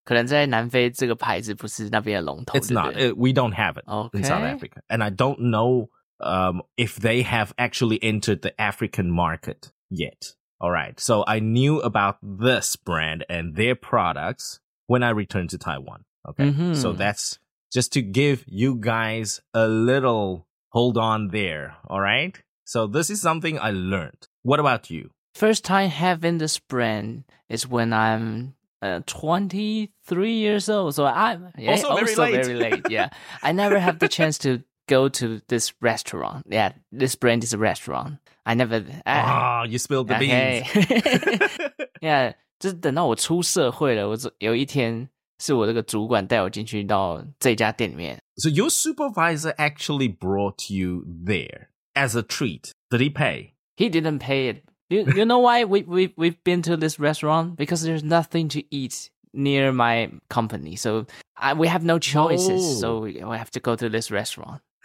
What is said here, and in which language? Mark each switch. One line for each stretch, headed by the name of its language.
Chinese: 可能在南非这个牌子不是那边的龙头。
English: It's not. We don't have it、 okay. in South Africa. And I don't know、if they have actually entered the African market yet. All right. So I knew about this brand and their products when I returned to Taiwan. Okay.、 Mm-hmm. So that's just to give you guys a little hold on there. All right. So this is something I learned. What about you? First time having this brand is when I'm 23 years old. So I'm yeah, also very late. Yeah. I never have the chance to go to this restaurant. Yeah. This brand is a restaurant. I never. You spilled the beans. Okay. yeah.
Chinese: 就是等到我出社会了我有一天是我这个主管带我进去到这家店里面。
English: So your supervisor actually brought you there as a treat. Did he pay? He didn't pay it. You know why we've been to this restaurant? Because there's nothing to eat near my company. So we have no choices.、Oh. So we have to go to this restaurant.